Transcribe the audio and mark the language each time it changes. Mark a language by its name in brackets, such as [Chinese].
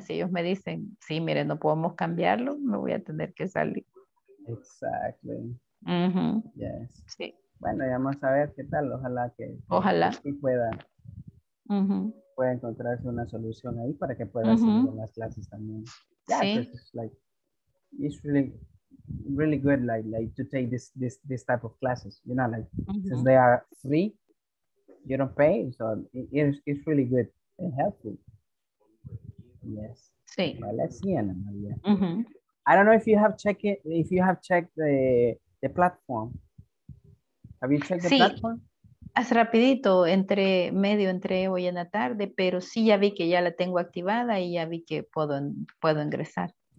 [Spanish] Si ellos me dicen, sí, mire, no podemos cambiarlo, me voy a tener que salir. [English] Exactly. Uh-huh. Yes. [Spanish] Sí. Bueno, ya vamos a ver qué tal. Ojalá. Que pueda. Uh-huh. Puede encontrarse una solución ahí para que pueda seguir con las clases también. [English] Yeah, sí. It's like it's really, really good, like to take this type of classes. You know, like since they are free, you don't pay, so it's really good and helpful. Yes. [Spanish] Sí. [English] Well, let's see, Ana María. Uh-huh. I don't know if you have checked it. If you have checked the platform, have you checked the platform? [Spanish] Haz rapidito, entré hoy en la tarde, pero sí ya vi que ya la tengo activada y ya vi que puedo ingresar.